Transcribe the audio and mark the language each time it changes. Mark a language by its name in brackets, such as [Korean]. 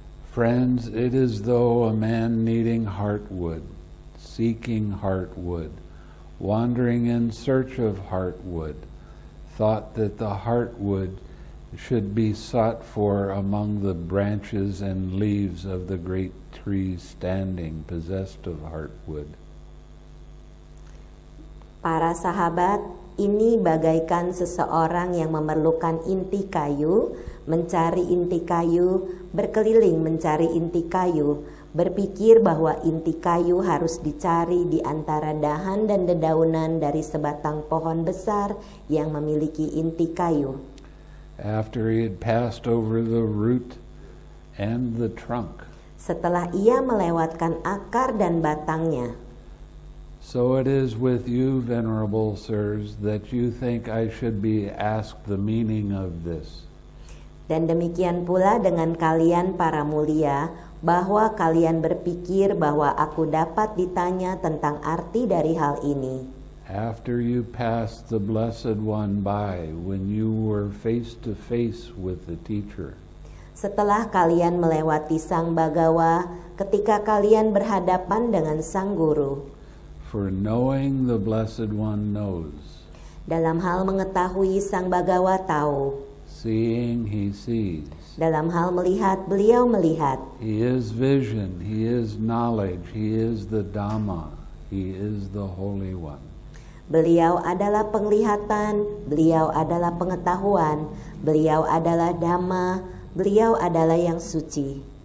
[English] Friends, it is though a man needing heartwood, seeking heartwood, wandering in search of heartwood, thought that the heart would should be sought for among the branches and leaves of the great tree standing possessed of heartwood. [Indonesian] Para sahabat, ini bagaikan seseorang yang memerlukan inti kayu, mencari inti kayu, berkeliling mencari inti kayu, berpikir bahwa inti kayu harus dicari di antara dahan dan dedaunan dari sebatang pohon besar yang memiliki inti kayu. [English] After he had passed over the root and the trunk. [Indonesian] Setelah ia melewatkan akar dan batangnya. [English] So it is with you, venerable sirs, that you think I should be asked the meaning of this. [Indonesian] Dan demikian pula dengan kalian para mulia, bahwa kalian berpikir bahwa aku dapat ditanya tentang arti dari hal ini. [English] After you passed the Blessed One by, when you were face to face with the teacher. [Indonesian] Setelah kalian melewati Sang Bhagawa, ketika kalian berhadapan dengan Sang Guru. [English] For knowing the Blessed One knows. [Indonesian] Dalam hal mengetahui Sang Bhagawa tahu. [English] Seeing he sees. [Indonesian] Dalam hal melihat beliau melihat. [English] He is vision, he is knowledge, he is the Dhamma, he is the Holy One. [Indonesian] Beliau adalah penglihatan, beliau adalah pengetahuan, beliau adalah Dhamma, beliau adalah yang suci.